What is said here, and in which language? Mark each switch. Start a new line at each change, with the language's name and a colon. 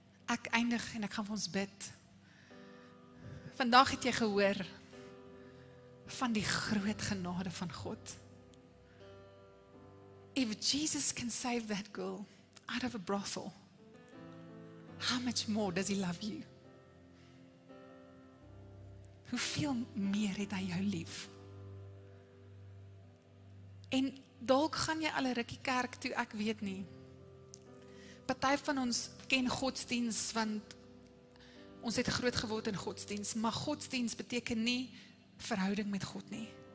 Afrikaans: Ek eindig en ek gaan vir ons bid. Vandag het jy gehoor van die groot genade van God.
English: If Jesus can save that girl out of a brothel, how much more does he love you?
Afrikaans: Hoeveel meer het hy jou lief? En dalk gaan jy al 'n rukkie kerk toe, ek weet nie. Party van ons ken godsdiens, want ons het groot geword in godsdiens, maar godsdiens beteken nie verhouding met God nie.